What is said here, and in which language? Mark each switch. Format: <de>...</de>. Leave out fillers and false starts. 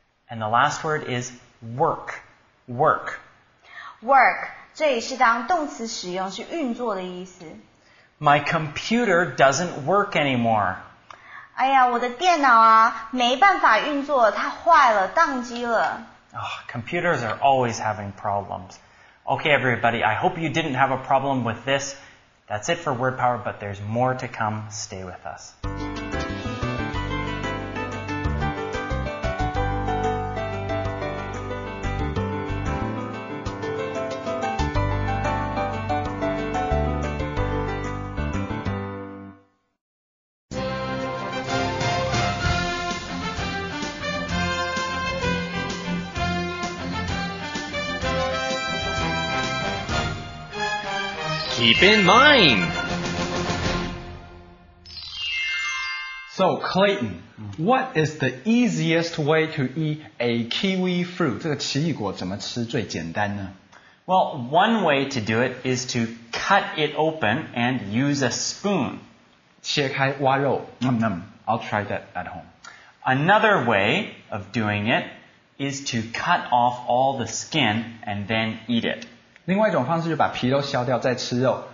<en>And the last word is work, work.</en> <zh>Work, 这也是当动词使用，是运作的意思。</zh> <en>My computer doesn't work anymore.</en> <zh>哎呀，我的电脑啊，没办法运作，它坏了，宕机了。</zh> <en>Oh, computers are always having problems. Okay, everybody, I hope you didn't have a problem with this. That's it for Word Power, but there's more to come. Stay with us. keep in mind. So, Clayton, what is the easiest way to eat a kiwi fruit?</en> <zh>这个奇异果怎么吃最简单呢？</zh> <en>Well, one way to do it is to cut it open and use a spoon.</en> <zh>切开挖肉</zh> <en>nom nom. I'll try that at home. Another way of doing it is to cut off all the skin and then eat it.</en> <zh>另外一种方式就把皮都削掉再吃肉。</zh>